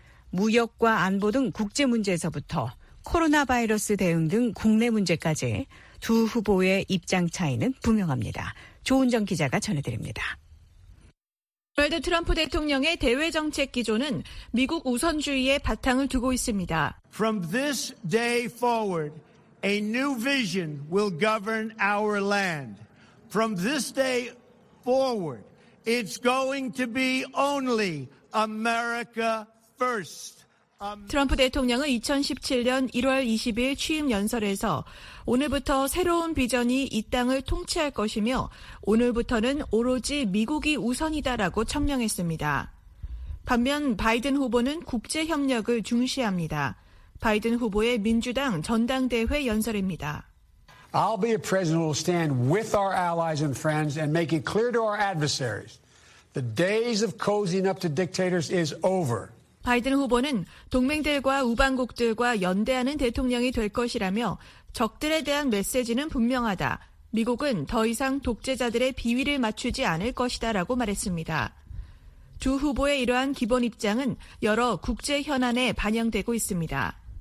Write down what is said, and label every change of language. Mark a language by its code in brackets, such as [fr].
[ko] 무역과 안보 등 국제 문제에서부터 코로나 바이러스 대응 등 국내 문제까지 두 후보의 입장 차이는 분명합니다. 조은정 기자가 전해드립니다. 도널드 트럼프 대통령의 대외 정책 기조는 미국 우선주의에 바탕을 두고 있습니다. [en] From this day forward, a new vision will govern our land. From this day forward, it's going to be only America first. [ko] 트럼프 대통령은 2017년 1월 20일 취임 연설에서 오늘부터 새로운 비전이 이 땅을 통치할 것이며 오늘부터는 오로지 미국이 우선이다라고 천명했습니다. 반면 바이든 후보는 국제협력을 중시합니다. 바이든 후보의 민주당 전당대회 연설입니다. [en] I'll be a president who will stand with our allies and friends and make it clear to our adversaries. The days of cozying up to dictators is over. [ko] 바이든 후보는 동맹들과 우방국들과 연대하는 대통령이 될 것이라며 적들에 대한 메시지는 분명하다. 미국은 더 이상 독재자들의 비위를 맞추지 않을 것이다 라고 말했습니다. 두 후보의 이러한 기본 입장은 여러 국제 현안에 반영되고 있습니다.